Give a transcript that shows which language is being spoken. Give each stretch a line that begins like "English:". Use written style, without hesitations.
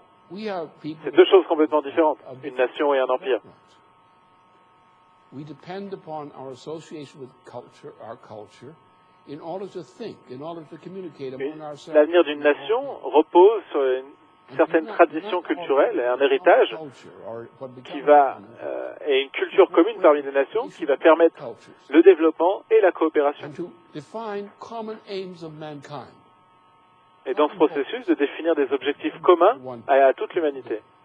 French: C'est deux choses complètement différentes, une nation et un empire.
English: We depend upon our association with culture, our culture.
French: L'avenir d'une nation repose sur une certaine tradition culturelle et un héritage qui va et une culture commune parmi les nations qui va permettre le développement et la coopération. Et dans ce processus, de définir des objectifs communs à toute l'humanité.